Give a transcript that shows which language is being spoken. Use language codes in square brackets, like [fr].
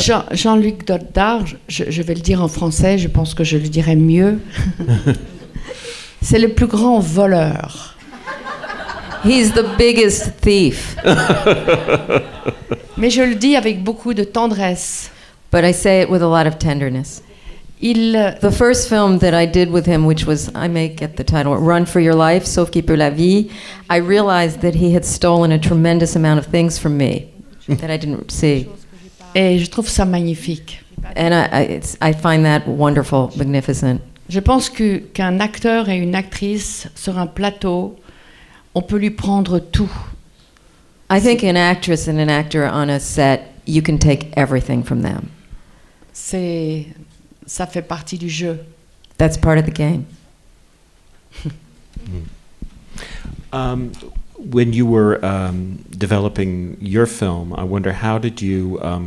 [fr] Jean-Luc Godard, je vais le dire en français, je pense que je le dirai mieux. C'est le plus grand voleur. [en] He's the biggest thief. [fr] Mais je le dis avec beaucoup de tendresse. [en] But I say it with a lot of tenderness. The first film that I did with him, which was, I may get the title, Run for Your Life, Sauf qui pour la vie, I realized that he had stolen a tremendous amount of things from me that I didn't see. [fr] Et je trouve ça magnifique. [en] And I find that wonderful, magnificent. [fr] Je pense qu'un acteur et une actrice sur un plateau, on peut lui prendre tout. [en] I think an actress and an actor on a set, you can take everything from them. [fr] C'est... Ça fait partie du jeu. [en] That's part of the game. When you were developing your film, I wonder how did you